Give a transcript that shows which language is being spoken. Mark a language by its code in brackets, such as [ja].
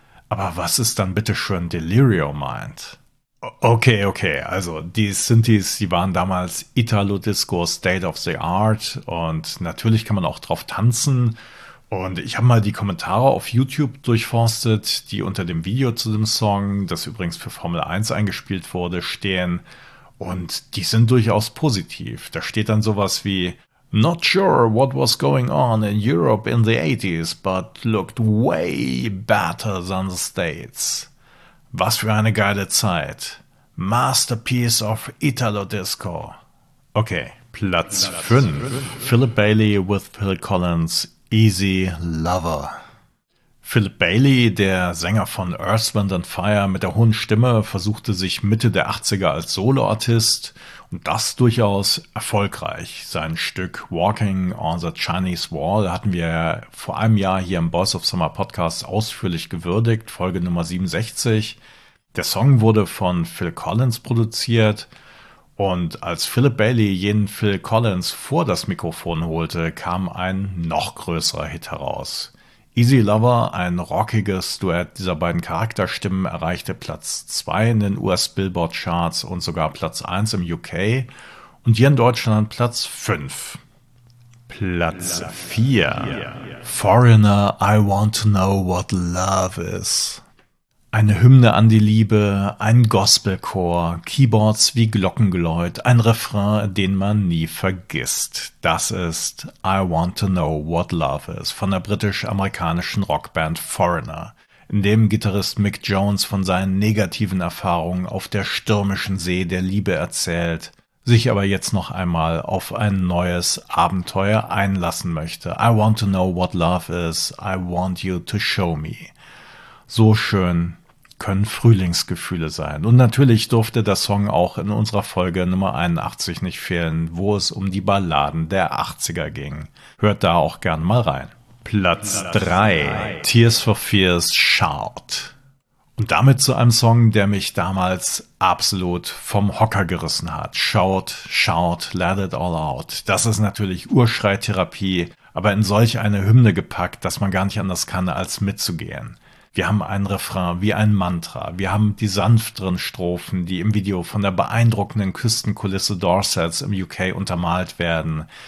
[de] Aber was ist dann bitteschön Delirio Mind? Okay, also die Synthies, die waren damals Italo-Disco State of the Art und natürlich kann man auch drauf tanzen. Und ich habe mal die Kommentare auf YouTube durchforstet, die unter dem Video zu dem Song, das übrigens für Formel 1 eingespielt wurde, stehen. Und die sind durchaus positiv. Da steht dann sowas wie [en] "Not sure what was going on in Europe in the 80s, but looked way better than the States. [de] Was für eine geile Zeit. [en] Masterpiece of Italo Disco." [de] Okay, Platz 5. Philip Bailey with Phil Collins. [en] Easy Lover. [de] Philip Bailey, der Sänger von Earth, Wind & Fire mit der hohen Stimme, versuchte sich Mitte der 80er als Soloartist und das durchaus erfolgreich. Sein Stück Walking on the Chinese Wall hatten wir vor einem Jahr hier im Boys of Summer Podcast ausführlich gewürdigt, Folge Nummer 67. Der Song wurde von Phil Collins produziert. Und als Philip Bailey jenen Phil Collins vor das Mikrofon holte, kam ein noch größerer Hit heraus. Easy Lover, ein rockiges Duett dieser beiden Charakterstimmen, erreichte Platz 2 in den US-Billboard-Charts und sogar Platz 1 im UK und hier in Deutschland Platz 5. Platz 4. [en] Foreigner, I want to know what love is. [de] Eine Hymne an die Liebe, ein Gospelchor, Keyboards wie Glockengeläut, ein Refrain, den man nie vergisst. Das ist I Want to Know What Love Is von der britisch-amerikanischen Rockband Foreigner, in dem Gitarrist Mick Jones von seinen negativen Erfahrungen auf der stürmischen See der Liebe erzählt, sich aber jetzt noch einmal auf ein neues Abenteuer einlassen möchte. [en] I Want to Know What Love Is, I Want You to Show Me. [de] So schön können Frühlingsgefühle sein. Und natürlich durfte der Song auch in unserer Folge Nummer 81 nicht fehlen, wo es um die Balladen der 80er ging. Hört da auch gern mal rein. Platz 3. Tears for Fears Shout. Und damit zu einem Song, der mich damals absolut vom Hocker gerissen hat. [en] Shout, shout, let it all out. [de] Das ist natürlich Urschreitherapie, aber in solch eine Hymne gepackt, dass man gar nicht anders kann, als mitzugehen. Wir haben ein Refrain wie ein Mantra. Wir haben die sanfteren Strophen, die im Video von der beeindruckenden Küstenkulisse Dorsets im UK untermalt werden.